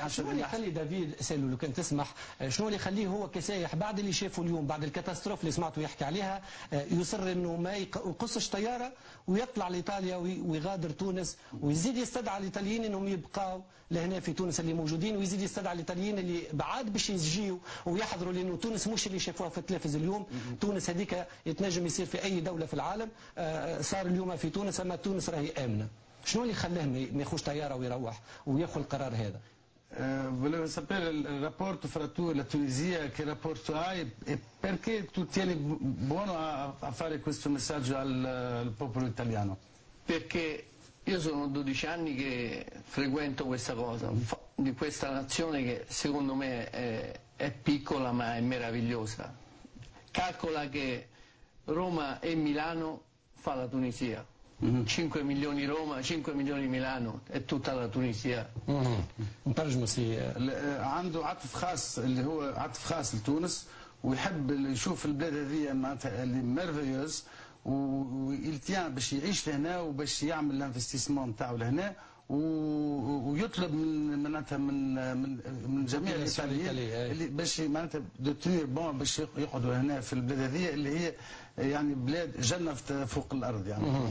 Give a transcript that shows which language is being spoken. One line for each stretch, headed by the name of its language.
Arabic: شنو اللي يخلي دافيد سالو لو كان تسمح شنو اللي يخليه هو كسائح بعد اللي شافه اليوم بعد الكاتاستروف اللي سمعته يحكي عليها يصر انه ما يقصش طياره ويطلع لايطاليا ويغادر تونس ويزيد يستدعى الايطاليين انهم يبقاو لهنا في تونس اللي موجودين ويزيد يستدعى الايطاليين اللي بعاد باش يجيو ويحضروا لانه تونس مش اللي شافوها في التلفزيون اليوم تونس هذيك يتنجم يصير في اي دوله في العالم صار اليوم في تونس اما تونس راهي امنه. شنو اللي خلاه ما يخوش طياره ويروح وياخذ القرار هذا؟
Italian: Volevo sapere il rapporto fra tu e la Tunisia, che rapporto hai e perché tu tieni buono a fare questo messaggio al popolo italiano? Perché io sono 12 anni che frequento questa cosa, di questa nazione che secondo me è piccola ma è meravigliosa. Calcola che Roma e Milano fa la Tunisia. 5 milioni Roma, 5 milioni Milano e tutta la Tunisia.
Arabic: نترجمو سي عنده عطف خاص اللي هو عطف خاص لتونس ويحب يشوف البلاد هذه معناتها اللي ميرفيوز والتيان باش يعيش لهنا وباش يعمل الانفستيسمون تاعو لهنا ويطلب معناتها من جميع الايطاليين اللي باش معناتها
French: دو تونير بون
Arabic: باش يقعدوا هنا في البلاد هذه اللي هي يعني بلاد جنه فوق الارض يعني